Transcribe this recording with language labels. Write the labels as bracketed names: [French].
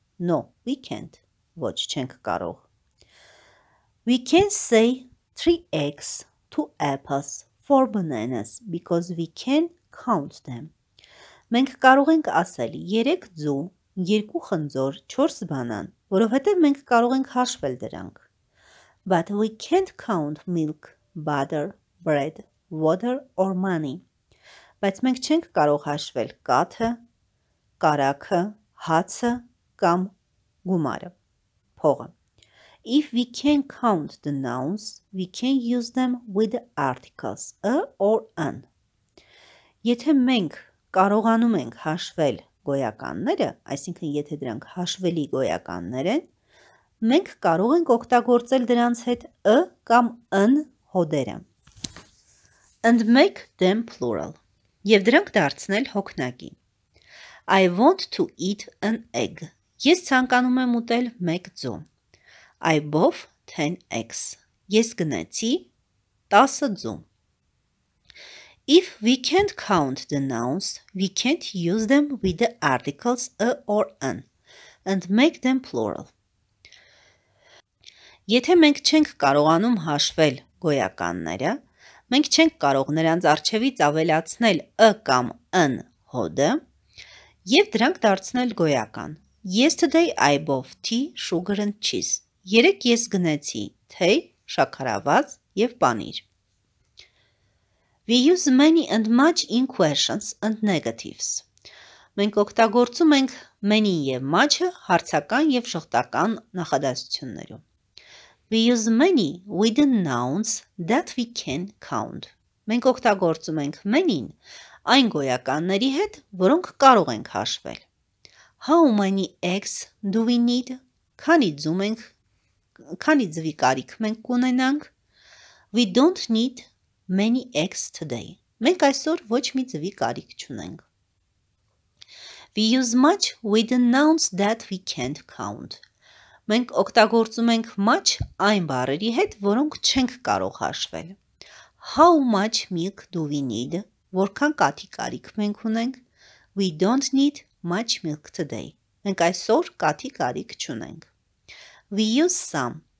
[English] No, we can't. [Armenian] Ոչ, չենք կարող. [English] We can say 3 eggs, 2 apples, 4 bananas, because we can count them. [Armenian] Մենք կարող ենք ասել 3 ձու, 2 խնձոր, 4 բանան, որովհետև մենք կարող ենք հաշվել դրանք. [English] But we can't count milk, butter, bread, water or money. [Armenian] Բայց մենք չենք կարող հաշվել կաթը, կարակը, հացը կամ գումարը, փողը. [English] If we can count the nouns, we can use them with the articles a or an. [Armenian] Եթե մենք կարողանում ենք հաշվել գոյականները, այսինքն եթե դրանք հաշվելի գոյականներ են, մենք կարող ենք օգտագործել դրանց հետ a կամ an հոդերը. [English] And make them plural. [Armenian] Եվ դրանք դարձնել հոգնակի. [English] I want to eat an egg. [Armenian] Ես ցանկանում եմ ուտել մեկ ձու. [English] I bought 10 eggs. [Armenian] Ես գնացի 10 ձու. [English] If we can't count the nouns, we can't use them with the articles a or an and make them plural. [Armenian] Եթե մենք չենք կարողանում հաշվել գոյականները, մենք չենք կարող նրանց առջևից ավելացնել a կամ an հոդը եւ դրանք դարձնել գոյական. [English] Yesterday I bought tea, sugar and cheese. [Armenian] Երեկ ես գնացի թեյ, շաքարավազ եւ պանիր. [English] We use many and much in questions and negatives. [Armenian] Մենք օգտագործում ենք many եւ much-ը հարցական եւ շղթական նախադասություններում. [English] We use many with the nouns that we can count. [Armenian] Մենք օգտագործում ենք many-ն այն գոյականների հետ, որոնք կարող ենք հաշվել. [English] How many eggs do we need? [Armenian] Քանի ձու ենք, քանի ձվի կարիք մենք կունենանք? [English] We don't need many eggs today. [Armenian] Մենք այսօր ոչ մի ձվի կարիք չունենք. [English] We use much with the nouns that we can't count. [Armenian] Մենք օգտագործում ենք much այն բառերի հետ, որոնք չենք կարող հաշվել. [English] How much milk do we need? [Armenian] Որքան կաթի կարիք մենք ունենք? [English] We don't need much milk today. [Armenian] Մենք այսօր կաթի կարիք չունենք. [English] We use some.